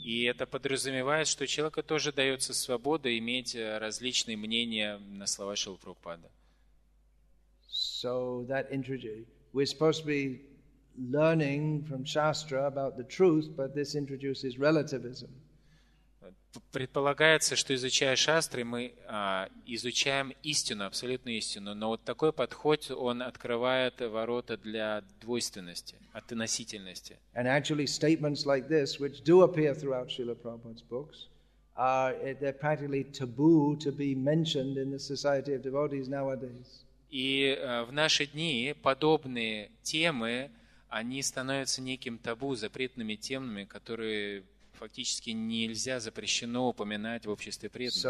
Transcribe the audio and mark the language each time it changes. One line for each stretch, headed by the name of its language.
Russian: И это подразумевает, что человеку тоже дается свобода иметь различные мнения на слова Шрила Прабхупада.
English: So that we're supposed to be learning from Shastra about the truth, but this introduces relativism.
Russian: В предполагается, что изучая шастры, мы изучаем истину, абсолютную истину. Но вот такой подход, он открывает ворота для двойственности, относительности.
English: And actually, statements like this, which do appear throughout Srila Prabhupada's books, they're practically taboo to be mentioned in the society of devotees nowadays.
Russian: И в наши дни подобные темы, они становятся неким табу, запретными темами, которые фактически нельзя, запрещено упоминать в обществе преданных.